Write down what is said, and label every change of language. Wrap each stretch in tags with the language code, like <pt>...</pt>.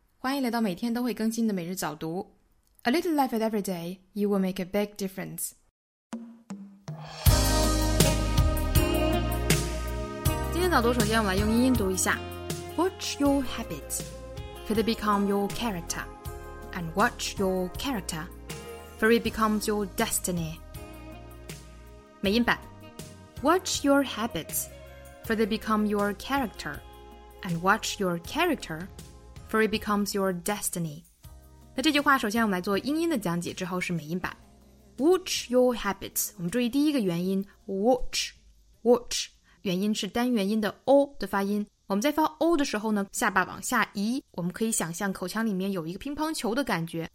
<zh>欢迎来到每天都会更新的每日早读。</zh> <en>A little life at every day, you will make a big difference.</en> <zh>今天早读首先我们来用英音读一下。</zh> <en>Watch your habits, for they become your character. And watch your character, for it becomes your destiny.</en> <zh>美音版。</zh> <en>Watch your habits, for they become your character. And watch your character, for it becomes your destiny.</en> <zh>那这句话首先我们来做英音的讲解，之后是美音版。</zh> <en>Watch your habits.</en> <zh>我们注意第一个元音 watch, watch. 元音是单元音的 o 的发音。我们在发 o 的时候呢，下巴往下移，我们可以想象口腔里面有一个乒乓球的感觉。</zh>